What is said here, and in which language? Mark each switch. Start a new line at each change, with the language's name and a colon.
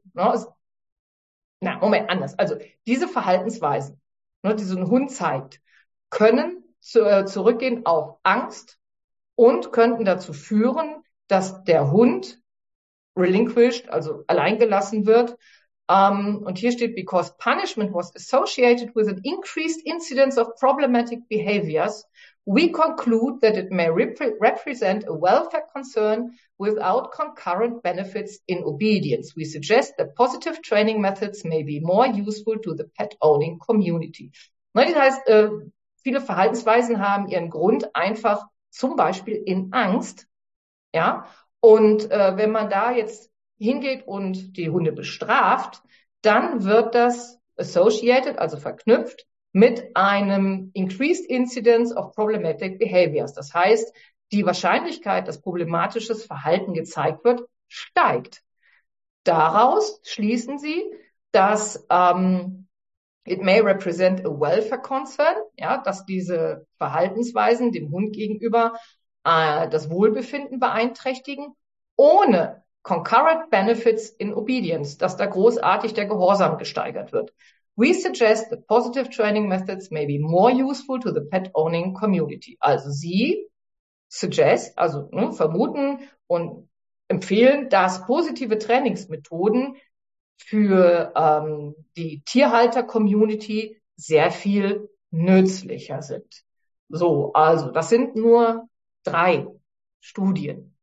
German: Na, Moment, anders. Also diese Verhaltensweisen, ne, die so ein Hund zeigt, können zurückgehen auf Angst. Und könnten dazu führen, dass der Hund relinquished, also alleingelassen wird.
English: Und hier steht, because punishment was associated with an increased incidence of problematic behaviors, we conclude that it may represent a welfare concern without concurrent benefits in obedience. We suggest that positive training methods may be more useful to the pet-owning community.
German: Das heißt, viele Verhaltensweisen haben ihren Grund einfach zum Beispiel in Angst, ja. Und wenn man da jetzt hingeht und die Hunde bestraft, dann wird das
English: associated,
German: also verknüpft, mit einem
English: increased incidence of problematic behaviors.
German: Das heißt, die Wahrscheinlichkeit, dass problematisches Verhalten gezeigt wird, steigt. Daraus schließen Sie, dass
English: it may represent a welfare concern,
German: ja, dass diese Verhaltensweisen dem Hund gegenüber das Wohlbefinden beeinträchtigen, ohne
English: concurrent benefits in obedience,
German: dass da großartig der Gehorsam gesteigert wird.
English: We suggest that positive training methods may be more useful to the pet owning community.
German: Also Sie suggest, also ne, vermuten und empfehlen, dass positive Trainingsmethoden für die Tierhalter-Community sehr viel nützlicher sind. So, also das sind nur drei Studien.